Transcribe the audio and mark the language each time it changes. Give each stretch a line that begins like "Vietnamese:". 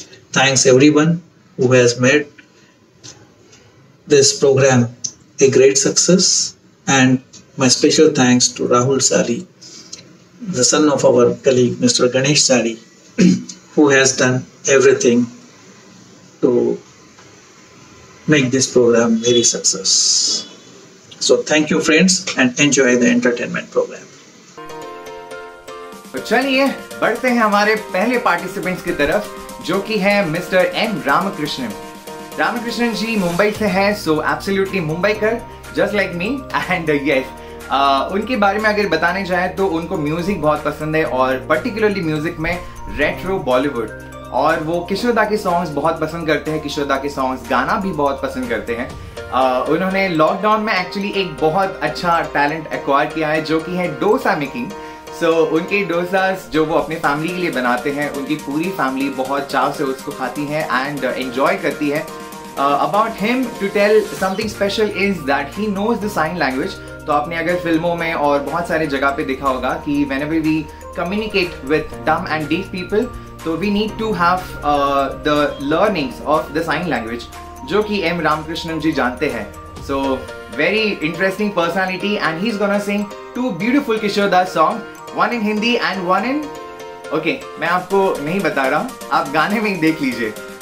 English: Thanks everyone who has made this program a great success, and my special thanks to Rahul Sari, the son of our colleague Mr. Ganesh Sari, who has done everything to make this program very success. So thank you friends and enjoy the entertainment program.
Hindi: तो चलिए बढ़ते हैं हमारे पहले participants की तरफ जो कि है मिस्टर एम रामकृष्णन। रामकृष्णन जी मुंबई से हैं, सो एब्सोल्युटली मुंबई कर just like मी। And yes, उनके बारे में अगर बताने जाए तो उनको म्यूजिक बहुत पसंद है और पर्टिकुलरली म्यूजिक में रेट्रो बॉलीवुड, और वो किशोरदा के सॉन्ग्स बहुत पसंद करते हैं, किशोरदा के सॉन्ग्स गाना भी बहुत पसंद करते हैं। उन्होंने लॉकडाउन में एक्चुअली एक बहुत अच्छा टैलेंट एक्वायर किया है जो कि है डोसा मेकिंग। सो उनके डोसास जो वो अपने फैमिली के लिए बनाते हैं, उनकी पूरी फैमिली बहुत चाव से उसको खाती है एंड एंजॉय करती है।
English: About him to tell something special is that he knows the sign language.
Hindi: तो आपने अगर फिल्मों में और बहुत सारे जगह पे देखा होगा कि
English: whenever we communicate with dumb and deaf people, so we need to have the learnings of the sign language
Hindi: jo ki M Ramakrishnan ji jante hain.
English: So very interesting personality, and he's gonna sing two beautiful Kishoredas songs, one in Hindi and one in, okay
Hindi: main aapko nahi bata raha, aap gaane mein dekh lijiye.